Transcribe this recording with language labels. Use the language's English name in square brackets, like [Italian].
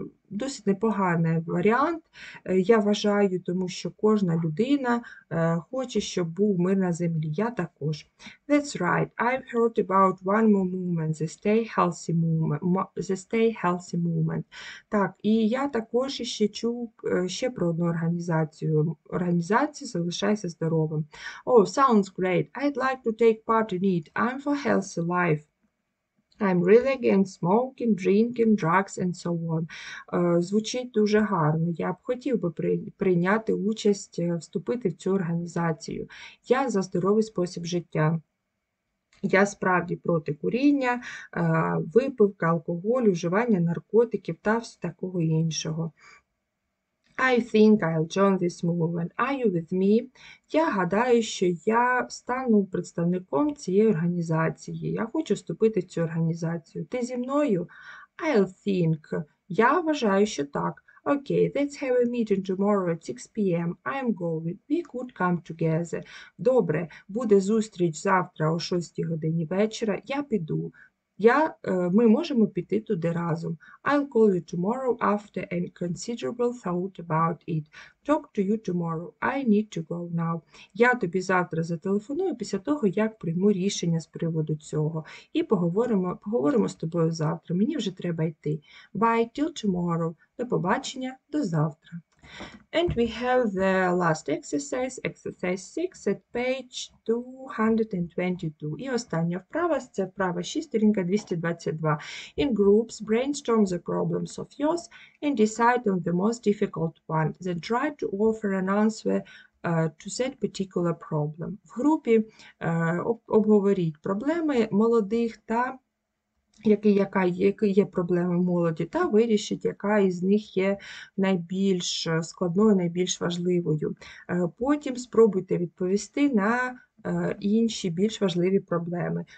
[Ukrainian] Досить непоганий варіант, я вважаю, тому що кожна людина хоче, щоб був мир на землі. Я також. [English] That's right. I've heard about one more movement, the Stay Healthy Movement. [Ukrainian] Так, і я також ще чув ще про одну організацію. Організація «Залишайся здоровим». [English] Oh, sounds great. I'd like to take part in it. I'm for healthy life. I'm really against smoking, drinking, drugs and so on. [Ukrainian] Звучить дуже гарно. Я б хотів би прийняти участь, вступити в цю організацію. Я за здоровий спосіб життя. Я справді проти куріння, випивки, алкоголю, вживання наркотиків та всього такого іншого. [English] I think I'll join this movement. Are you with me? [Ukrainian] Я гадаю, що я стану представником цієї організації. Я хочу вступити в цю організацію. Ти зі мною? [English] I'll think. [Ukrainian] Я вважаю, що так. [English] Okay, let's have a meeting tomorrow at 6 p.m. I'm going. We could come together. [Ukrainian] Добре, буде зустріч завтра о 6 годині вечора. Я піду. Ми можемо піти туди разом. [English] I'll call you tomorrow after a considerable thought about it. Talk to you tomorrow. I need to go now. [Ukrainian] Я тобі завтра зателефоную після того, як прийму рішення з приводу цього. І поговоримо з тобою завтра. Мені вже треба йти. [English] Bye till tomorrow. [Ukrainian] До побачення. До завтра. [English] And we have the last exercise 6 at page 222. [Ukrainian] І остання вправа, це вправа 6, сторінка 222. [English] In groups, brainstorm the problems of yours and decide on the most difficult one. Then try to offer an answer to that particular problem. [Ukrainian] В групі обговоріть проблеми молодих та які є проблеми молоді, та вирішить, яка із них є найбільш складною, найбільш важливою. Потім спробуйте відповісти на інші більш важливі проблеми.